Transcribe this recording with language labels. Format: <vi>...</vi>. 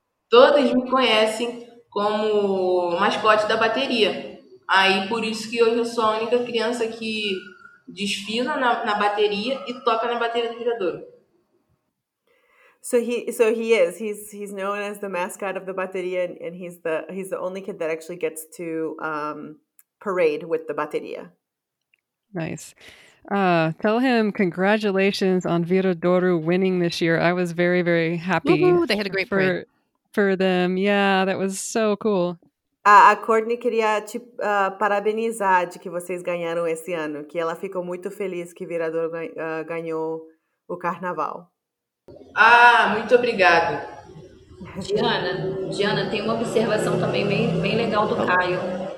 <pt>Todos me conhecem como mascote da bateria. Aí por isso que hoje eu sou a única criança que desfila na bateria e toca na bateria da Viradouro.</pt> <en>So he is. He's known as the mascot of the bateria, and he's the only kid that actually gets to parade with the bateria. Nice. Tell him congratulations on Viradouro winning this year. I was very, very happy. Woo-hoo, they had a great parade for them. Yeah, that was so cool.</en> <pt>A Courtney queria te parabenizar de que vocês ganharam esse ano, que ela ficou muito feliz que Viradouro ganhou o carnaval. Ah, muito obrigado. Diana, tem uma observação também bem, bem legal do Caio.</pt>